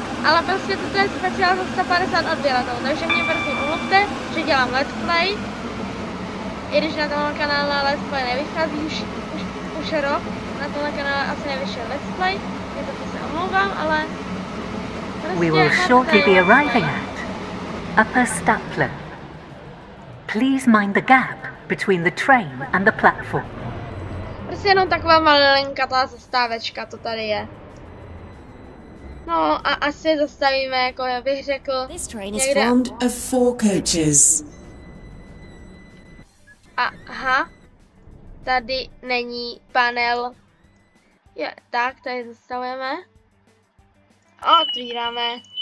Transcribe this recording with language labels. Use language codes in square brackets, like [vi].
[cs] Ale prostě toto je speciál za 150 odběratelů, takže mě prostě omluvte, že dělám let's play. I když na tomhle kanále let's play nevychází už rok, na tomhle kanále asi nevyšel let's play, je to se omlouvám, ale prostě [en] we will shortly be arriving at Upper Staplo. Please mind the gap between the train and the platform. [cs] Prostě jenom taková malinká ta zastávečka to tady je. No a asi zastavíme, jako já bych řekl. [en] This train is formed of 4 coaches. [cs] Aha. Tady není panel. Je, tak, tady zastavujeme. Otvíráme.